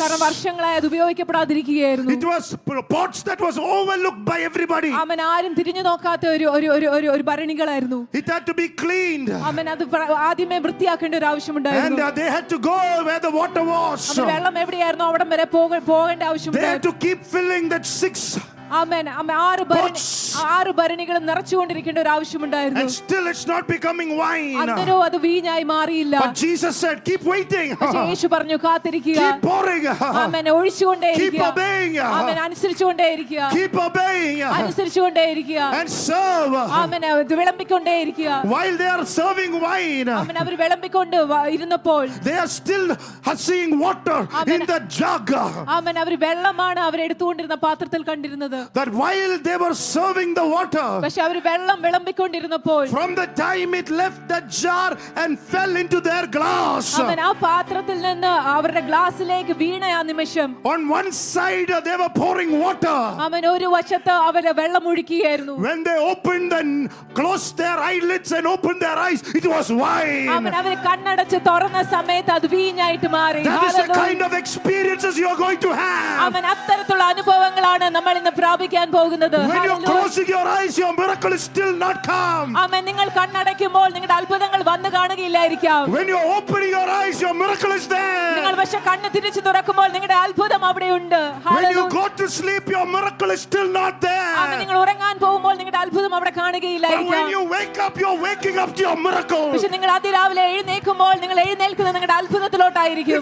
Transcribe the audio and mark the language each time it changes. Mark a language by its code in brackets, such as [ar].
[ml] കാരണം വർഷങ്ങളായി അത് ഉപയോഗിക്കപ്പെടാതിരിക്കുകയായിരുന്നു. [en] It was pots that was overlooked by everybody. [ml] അമ്മൻ ആരും തിരിഞ്ഞു നോക്കാത്ത ഒരു ഒരു ഒരു ഒരു ഒരു ഭരണികളായിരുന്നു. [en] It had to be cleaned. [ml] അമ്മൻ അത് ആദ്യമേ വൃത്തിയാക്കേണ്ട ഒരു ആവശ്യമുണ്ടായിരുന്നു. [en] And they had to go where the water was. [ml] അമ്മ വെള്ളം എവിടെയായിരുന്നു അവിടം വരെ പോകേണ്ട ആവശ്യമുണ്ടായിരുന്നു. [en] They had to keep filling that six Amen. [ml] ആറ് ഭരണികളും നിറച്ചുകൊണ്ടിരിക്കേണ്ട ഒരു ആവശ്യമുണ്ടായിരുന്നു. [en] And still it's not becoming wine. [ml] അങ്ങനെ അത് വീഞ്ഞായി മാറിയില്ല. [en] But Jesus said, keep waiting. [ml] യേശു പറഞ്ഞു കാത്തിരിക്കുക. [en] Keep pouring. [ml] Amen. ഒഴിച്ചുകൊണ്ടേയിരിക്കുക. [en] Keep obeying. [ml] Amen. അനുസരിച്ചുകൊണ്ടേയിരിക്കുക. [en] Keep obeying. [ml] അനുസരിച്ചുകൊണ്ടേയിരിക്കുക. [en] And serve. [ml] Amen. Our വിളമ്പിക്കൊണ്ടേയിരിക്കുക. [en] While they are serving wine. [ml] Amen. അവർ വിളമ്പിക്കൊണ്ട് ഇരുന്നപ്പോൾ. [en] They are still seeing water in the jug. Amen. [ml] അവർ വെള്ളമാണ് അവർ എടുത്തുകൊണ്ടിരുന്ന പാത്രത്തിൽ കണ്ടിരുന്നത്. [en] That while they were serving the water [ml] പക്ഷേ അവർ വെള്ളം വിളമ്പിക്കൊണ്ടിരുന്നപ്പോൾ [en] from the time it left the jar and fell into their glass [ml] അമ്മ ആ പാത്രത്തിൽ നിന്ന് അവരുടെ ഗ്ലാസിലേക്ക് വീണ ആ നിമിഷം [en] on one side they were pouring water [ml] അമ്മ ഒരു വശത്ത് അവരെ വെള്ളം ഒഴിക്കുകയായിരുന്നു [en] when they opened the closed their eyelids and opened their eyes it was wine [ml] അമ്മ അവർ കണ്ണടച്ച് തുറന്ന സമയത്ത് അത് വീഞ്ഞായിട്ട് മാറി [en] that is the kind of experiences you are going to have [ml] അമ്മ അത്തരത്തിലുള്ള അനുഭവങ്ങളാണ് നമ്മൾ ഇന്ന് പ്രാപിക്കാൻ പോകുന്നത് [en] when you close your eyes your miracle is still not come [ml] amen നിങ്ങൾ കണ്ണടയ്ക്കുമ്പോൾ നിങ്ങളുടെ അത്ഭുതങ്ങൾ വന്നു കാണുകയില്ലായിരിക്കാം [en] when you open your eyes your miracle is there [ml] നിങ്ങൾ വെച്ച കണ്ണ് തിരിച്ചു തുറക്കുമ്പോൾ നിങ്ങളുടെ അത്ഭുതം അവിടെയുണ്ട് [en] when you go to sleep your miracle is still not there [ml] amen നിങ്ങൾ ഉറങ്ങാൻ പോകുമ്പോൾ നിങ്ങളുടെ അത്ഭുതം അവിടെ കാണുകയില്ലായിരിക്കാം [en] when you wake up you're waking up to your miracle [ml] പക്ഷേ നിങ്ങൾ അതിരാവിലെ എഴുന്നേൽക്കുമ്പോൾ നിങ്ങൾ എഴുന്നേൽക്കുന്ന നിങ്ങളുടെ അത്ഭുതത്തിലോട്ടായിരിക്കും